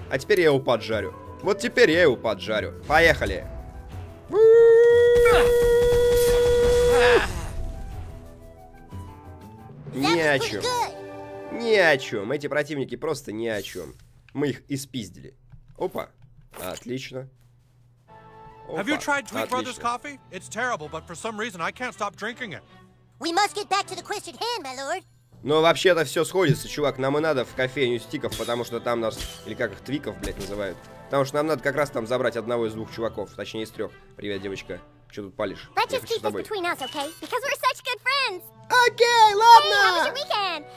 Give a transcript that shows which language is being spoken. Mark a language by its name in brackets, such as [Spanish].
[Russian] А теперь я его поджарю. Вот теперь я его поджарю. Поехали. Ни о чем. Ни о чем. Эти противники просто ни о чем. Мы их испиздили. Опа, отлично. Опа, [English] have you tried Tweet [Russian] отлично. [English] Brothers coffee? It's terrible, but for some reason I can't stop drinking it. We must get back to the quest at hand, my lord. [Russian] Но вообще-то все сходится, чувак. Нам и надо в кофейню Стиков, потому что там нас... Или как их, Твиков, блядь, называют. Потому что нам надо как раз там забрать одного из двух чуваков. Точнее, из трех. Привет, девочка. Чё тут палишь? [English] Let's just keep this between us, okay? Because we're such good friends. [Russian] Окей, ладно! [English] Hey, how was your weekend?